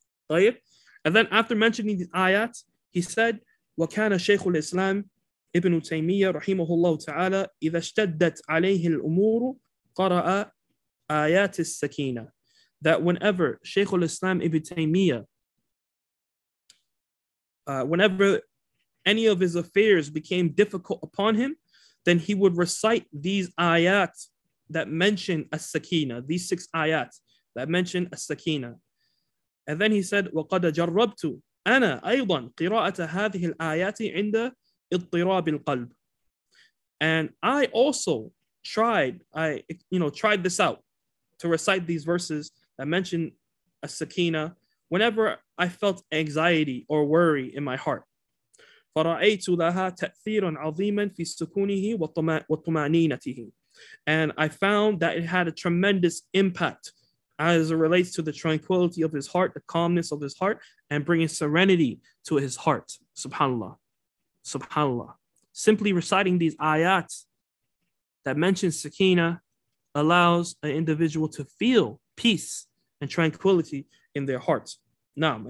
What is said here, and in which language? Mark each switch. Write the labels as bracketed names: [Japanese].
[English] And then after mentioning the ayat, he said, [Arabic] وَكَانَ شَيْخُ الْإِسْلَامِ إِبْنُ تَيْمِيَّ رَحِيمَهُ اللَّهُ تَعَالَى إِذَا اشْتَدَّتْ عَلَيْهِ الْأُمُورُ قَرَأَ آيَاتِ السَّكِينَةِ [English] that whenever شيخ الإسلام Ibn Taymiyyah, whenever any of his affairs became difficult upon him, then he would recite these ayat that mention السَّكِينَةِ, these six ayat that mention السَّكِينَةِ. And then he said, [Arabic] وَقَدَ جَرَّبْتُ أنا أيضا قراءة هذه الآيات عند اضطراب القلب. [English] And I also tried, tried this out to recite these verses that mention السكينة whenever I felt anxiety or worry in my heart. [Arabic] فرأيت لها تأثيرا عظيما في سكونه وطمأنينته. [English] And I found that it had a tremendous impact as it relates to the tranquility of his heart, the calmness of his heart, and bringing serenity to his heart. Subhanallah. Subhanallah. Simply reciting these ayat that mention sakina allows an individual to feel peace and tranquility in their heart. Naam.